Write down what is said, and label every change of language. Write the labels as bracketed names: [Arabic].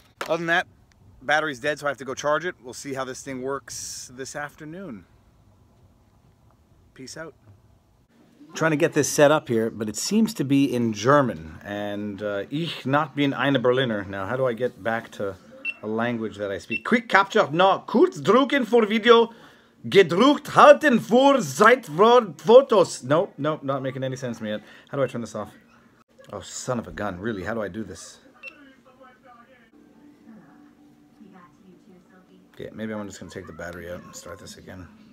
[English] Other than that, battery's dead, so I have to go charge it. We'll see how this thing works this afternoon. Peace out. Trying to get this set up here, but it seems to be in German, and [German] ich [English] not [German] bin eine Berliner. [English] Now, how do I get back to a language that I speak? Quick capture, no, [German] kurz drucken für Video, gedruckt halten für Zeitwort Fotos. [English] Nope, not making any sense to me yet. How do I turn this off? Oh, son of a gun, really, how do I do this? Okay, maybe I'm just gonna take the battery out and start this again.